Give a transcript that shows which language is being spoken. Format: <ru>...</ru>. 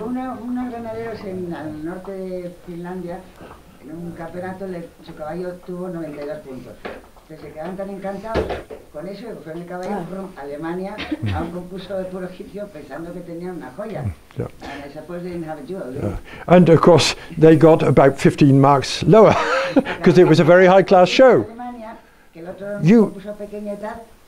<es>Una ganadera en el norte de Finlandia, en un campeonato, su caballo tuvo 92 puntos. Entonces se quedaron tan encantados con eso, que fue el caballo a Alemania, a un concurso de puro egipcio, pensando que tenía una joya.</es> <en>Yeah. I suppose they didn't have a jewel. Yeah. And of course, they got about 15 marks lower, because it was a very high class show.</en> <es>Alemania, que el otro concurso pequeño y tal,</es>